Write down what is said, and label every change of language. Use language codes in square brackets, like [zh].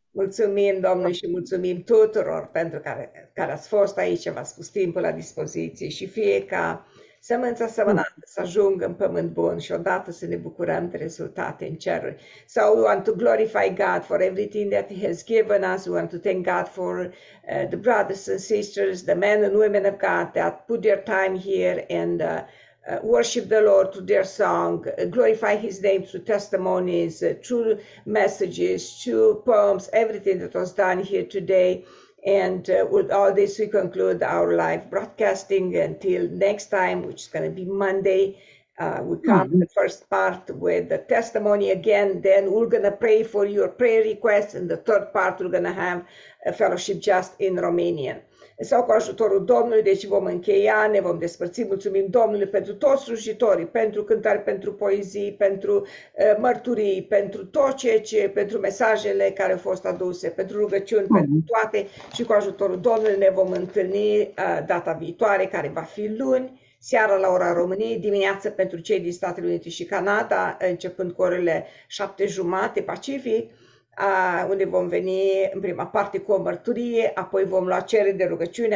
[ro] Mulțumim Domnului și mulțumim tuturor pentru care ați fost aici, v-ați pus timpul la dispoziție și fie ca sămânța semănată să ajungă în pământ bun și odată să ne bucurăm de rezultate în ceruri. [en] So we want to glorify God for everything that He has given us. We want to thank God for the brothers and sisters, the men and women of God that put their time here and worship the Lord through their song, glorify His name through testimonies, through messages, through poems, everything that was done here today. And with all this, we conclude our live broadcasting until next time, which is going to be Monday. We come mm-hmm. to the first part with the testimony again. Then we're going to pray for your prayer requests. And the third part, we're going to have a fellowship just in Romanian. [ro] sau cu ajutorul Domnului, deci vom încheia, ne vom despărți. Mulțumim Domnului pentru toți slujitorii, pentru cântare, pentru poezii, pentru mărturii, pentru tot ceea ce, pentru mesajele care au fost aduse, pentru rugăciuni, pentru toate. Și cu ajutorul Domnului ne vom întâlni data viitoare, care va fi luni, seara la ora României, dimineață pentru cei din Statele Unite și Canada, începând cu orele 7:30 Pacific, unde vom veni în prima parte cu o mărturie, apoi vom lua cereri de rugăciune.